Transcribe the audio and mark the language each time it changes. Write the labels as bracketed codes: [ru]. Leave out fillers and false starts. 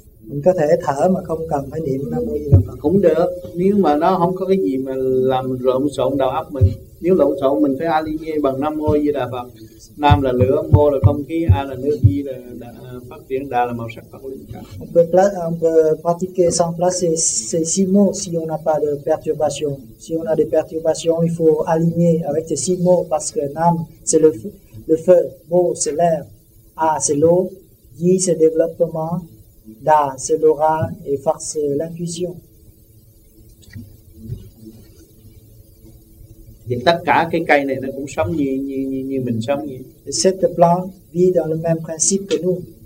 [vi] Mình có thể thở mà không cần phải niệm Nam Mô A Di Đà Phật. Cũng được, nếu mà nó không có cái gì mà làm lộn xộn đầu óc mình. Nếu lộn xộn mình phải A-li-ye bằng Nam Mô A Di Đà Phật. Nam là lửa, Mô là không khí, A là nước, Di là phát triển, Đà là màu sắc Phật linh. [fr] On peut placer, on peut pratiquer sans placer ces six mots si on n'a pas de perturbation. Si on a des perturbations, il faut aligner avec ces six mots parce que Nam c'est le feu, Mô c'est l'air, A c'est l'eau, Di c'est développement, Da c'est l'aura et force l'intuition. [vi] Thì tất cả cái cây này nó cũng sống như mình sống vậy. [fr] Cette plante vit dans le même principe que nous.